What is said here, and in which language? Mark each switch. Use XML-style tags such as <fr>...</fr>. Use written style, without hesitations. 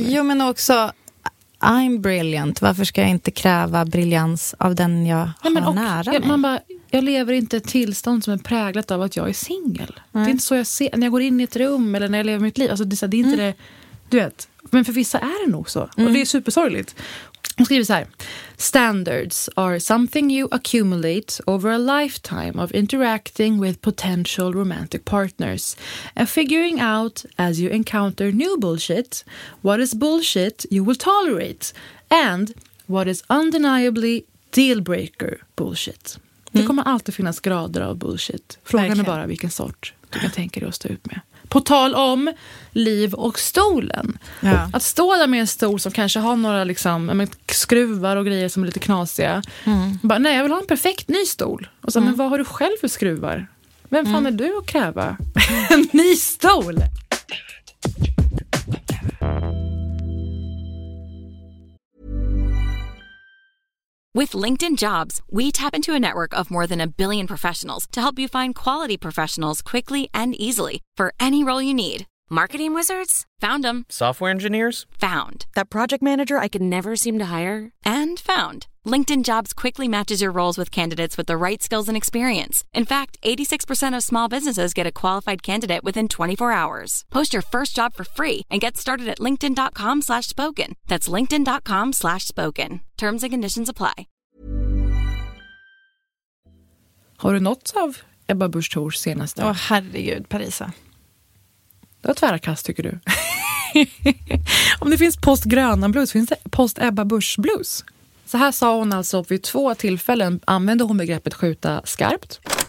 <sv>Heller. Jo, men också,</sv> <en>I'm brilliant.</en> <sv>Varför ska jag inte kräva briljans av den jag nära mig? Man bara, jag lever inte ett tillstånd som är präglat av att jag är singel. Det är inte så jag ser när jag går in i ett rum eller när jag lever mitt liv. Alltså det är inte det, du vet. Men för vissa är det nog så. Och det är supersorgligt. Hon skriver så här:</sv> <en>standards are something you accumulate over a lifetime of interacting with potential romantic partners and figuring out as you encounter new bullshit what is bullshit you will tolerate and what is undeniably dealbreaker bullshit.</en> <sv>Det kommer alltid finnas grader av bullshit. Frågan är bara vilken sort du kan tänka dig att stå ut med. På tal om Liv och stolen. Ja. Att stå där med en stol som kanske har några liksom, skruvar och grejer som är lite knasiga. Mm. Bara, nej, jag vill ha en perfekt ny stol. Och så, men vad har du själv för skruvar? Vem fan är du att kräva en ny stol?</sv> <en>With LinkedIn Jobs, we tap into a network of more than a billion professionals to help you find quality professionals quickly and easily for any role you need. Marketing wizards? Found them. Software engineers? Found. That project manager I could never seem to hire? And found. LinkedIn Jobs quickly matches your roles with candidates with the right skills and experience. In fact, 86% of small businesses get a qualified candidate within 24 hours. Post your first job for free and get started at linkedin.com/spoken. That's linkedin.com/spoken. Terms and conditions apply.</en> <sv>Har du något av Ebba Busch Thors senaste? Åh, herregud, Parisa. Det var tvärkast, tycker du. Om det finns postgröna blues, finns det post Ebba Busch blues? Så här sa hon alltså vid två tillfällen, använde hon begreppet skjuta skarpt.</sv>